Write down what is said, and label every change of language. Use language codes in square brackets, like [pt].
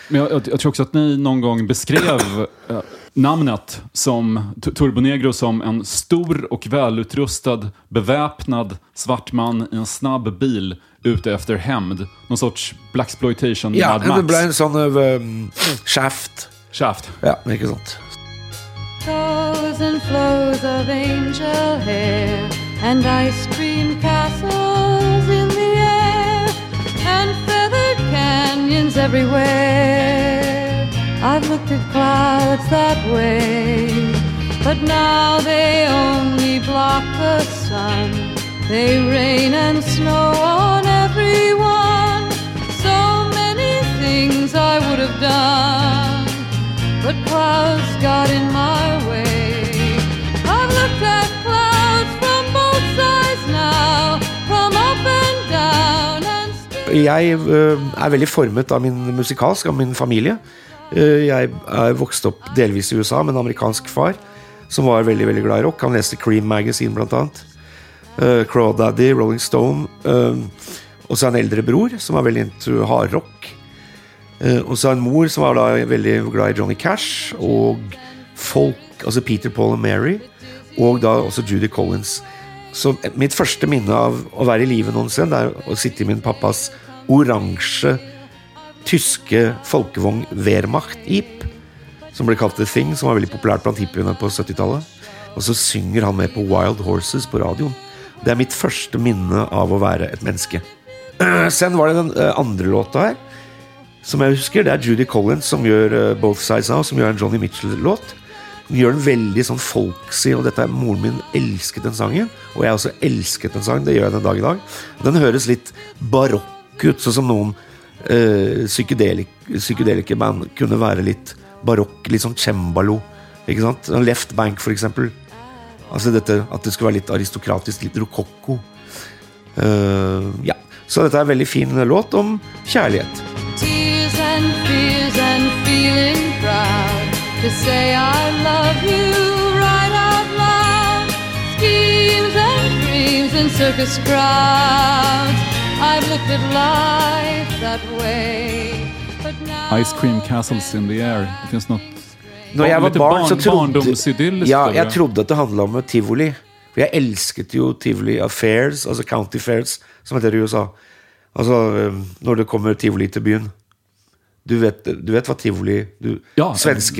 [sv] Men jag tror också att ni någon gång beskrev namnet som Turbo Negro som en stor och välutrustad beväpnad svart man i en snabb bil ute efter hämnd. Någon sorts blaxploitation. Ja, det blev en sån av shaft. Shaft. Ja, mycket sånt. [en] Flows and flows of angel hair and ice cream castles in the air and feathered canyons everywhere. I've looked at clouds that way, but now they only block the sun. They rain and snow on everyone. So many things I would have done, but clouds got in my way. I've looked at clouds from both sides now, from up and down and still. [sv] Jag är väldigt formet av min musikalska och min familj. [no] Jeg er vokst opp delvis i USA med en amerikansk far som var veldig, veldig glad i rock. Han leste Cream Magazine blant annet, Crawdaddy, Rolling Stone, og så en eldre bror som var veldig into hard rock, og så en mor som var da veldig glad i Johnny Cash og folk, altså Peter, Paul and Mary, og da også Judy Collins. Så mitt første minne av å være i livet noensinne er å sitte i min pappas oransje tyske folkevogn Wehrmacht Jeep, som ble kalt The Thing, som var veldig populært blant hippiene på 70-tallet. Og så synger han med på Wild Horses på radioen. Det er mitt første minne av å være et menneske. Sen var det den andre låta her, som jeg husker. Det er Judy Collins som gjør Both Sides Now, som gjør en Johnny Mitchell-låt. Hun gjør den veldig sånn folksy, og dette er moren min elsket den sangen, og jeg også elsket den sangen, det gjør jeg den dag i dag. Den høres litt barokk ut, sånn som noen psykedeliske band kunne være litt barokk, litt sånn cembalo, ikke sant? Left Bank for eksempel, altså dette, at det skulle være litt aristokratisk, litt rokokko. Ja, så dette er en veldig fin låt om kjærlighet. [en] Tears and fears and feeling proud to say I love you right out loud. Schemes and dreams and circus crowds, I've looked at life that way, but now Ice Cream Castles in the Air. [sv] Det finns något. När jag var barn så trodde jag trodde att det handlade om Tivoli. För jag älskade ju Tivoli Affairs, alltså [en] County Fairs, [sv] som heter i USA. Alltså när det kommer Tivoli till byn. Du vet vad Tivoli, du vet vad Tivoli